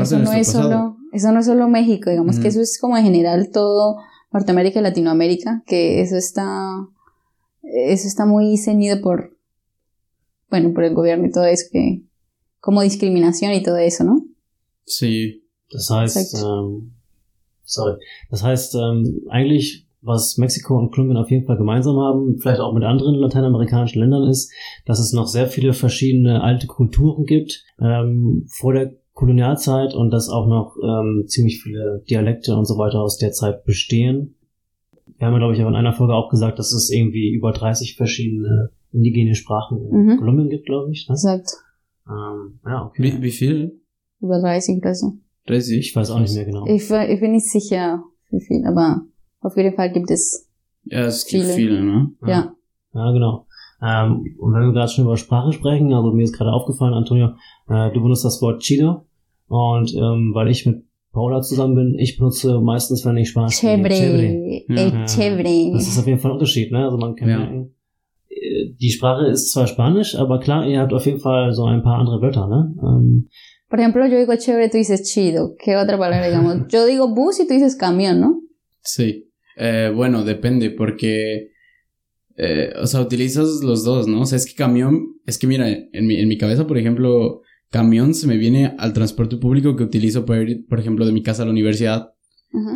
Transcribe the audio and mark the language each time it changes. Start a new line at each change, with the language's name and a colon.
Spanish: eso de no es pasado. Solo... Eso no es solo México, digamos que eso es como en general todo Norteamérica y Latinoamérica, que eso está muy ceñido por, bueno, por el gobierno y todo eso, que como discriminación y todo eso, ¿no? Sí.
German: Das heißt, das heißt, eigentlich, was Mexiko und Kolumbien auf jeden Fall gemeinsam haben, vielleicht auch mit anderen lateinamerikanischen Ländern, ist, dass es noch sehr viele verschiedene alte Kulturen gibt, vor der Kolonialzeit und dass auch noch ziemlich viele Dialekte und so weiter aus der Zeit bestehen. Wir haben ja, glaube ich, auch in einer Folge auch gesagt, dass es irgendwie über 30 verschiedene indigene Sprachen in Kolumbien gibt, glaube ich. Ne? Exakt. Okay. Wie viel? Über 30 oder so. 30? Ich weiß auch nicht mehr genau. Ich bin nicht sicher. viel, aber auf jeden Fall gibt es ja, es viele. Gibt viele, ne? Ja. Ja, genau. Und wenn wir gerade schon über Sprache sprechen, also mir ist gerade aufgefallen, Antonio, du benutzt das Wort Chido und weil ich mit Paula zusammen bin, ich benutze meistens, wenn ich Spanisch spreche, Chebre. Chebre. Ja. Das ist auf jeden Fall ein Unterschied, ne? Also man kann merken, die Sprache ist zwar Spanisch, aber klar, ihr habt auf jeden Fall so ein paar andere Wörter, ne?
Spanish: Por ejemplo, yo digo chévere, tú dices chido. ¿Qué otra palabra digamos? Yo digo bus y tú dices camión, ¿no? Sí. Bueno, depende, porque... o sea, utilizas los dos, ¿no? O sea, es que camión... Es que mira, en mi cabeza, por ejemplo, camión se me viene al transporte público que utilizo para ir, por ejemplo, de mi casa a la universidad. Uh-huh.